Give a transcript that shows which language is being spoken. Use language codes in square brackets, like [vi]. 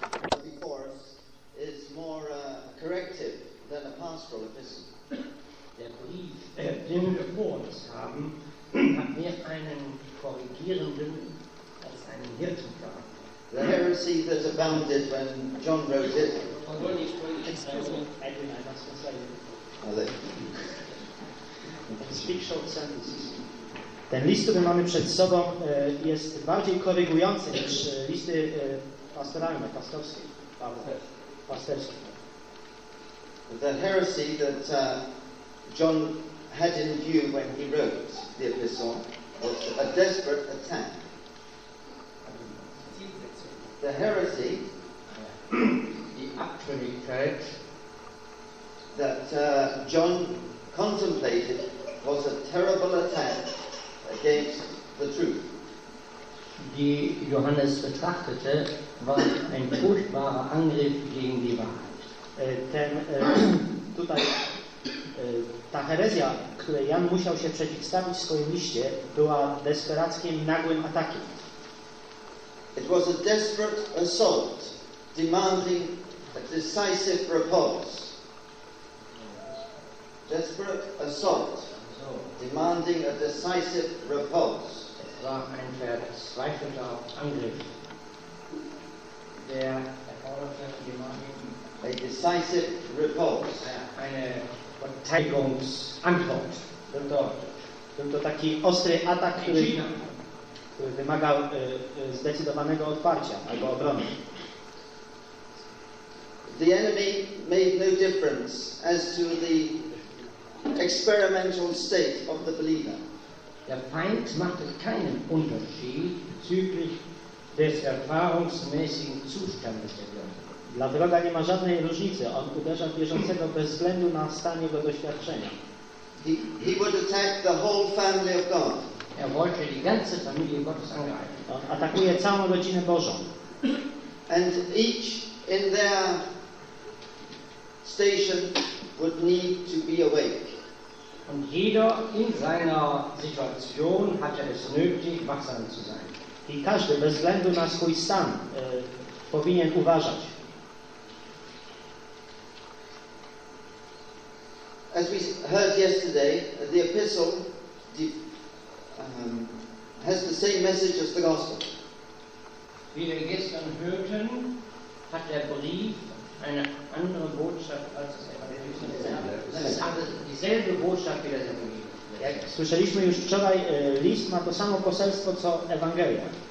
[en] The course is more corrective than a pastoral epistle. [de] Der Brief, den wir vor uns haben, hat mehr einen korrigierenden als einen Hirtencharakter. [en] The heresy that abounded when John wrote it. Excuse me. I speak short sentences. [pl] Ten list, który mamy przed sobą, jest bardziej korygujący niż listy pastoralne, pastorskie, pasterskie. [en] The heresy that John had in view when he wrote the epistle was a desperate attack. The heresy, [de] the abtrünnigkeit [en] that John contemplated was a terrible attack against the truth. [de] Die Johannes betrachtete, war ein furchtbarer Angriff gegen die Wahrheit. [pl] Ta herezja, której Jan musiał się przeciwstawić w swoim liście, była desperackim, nagłym atakiem. [en] It was a desperate assault, demanding a decisive repulse. Desperate assault, demanding a decisive repulse. [de] Es war ein verzweifelter Angriff, der erforderte, [en] demanding a decisive repulse. [de] Eine Verteidigungsantwort. [pl] To taki ostry atak, który wymagał zdecydowanego odparcia albo obrony. [en] The enemy made no difference as to the experimental state of the believer. [de] Der Feind machte keinen Unterschied bezüglich des erfahrungsmäßigen Zustandes der Gläubigen. [pl] Dla wroga nie ma żadnej różnicy. On uderza wierzącego bez względu na stan jego doświadczenia. [en] He would attack the whole family of God. [de] Er wollte die ganze Familie Gottes angreifen. [pl] On atakuje całą rodzinę Bożą. [en] And each in their station would need to be awake. [de] Und jeder in seiner Situation hatte es nötig, wachsam zu sein. [pl] I każdy bez względu na swój stan powinien uważać. [en] As we heard yesterday, the epistle has the same message as the gospel. [de] Wie wir gestern hörten, hat der Brief eine andere Botschaft als das Evangelium. Es hat dieselbe Botschaft wie das Evangelium. [pl] Słyszeliśmy już wczoraj, list ma to samo poselstwo co Ewangelia.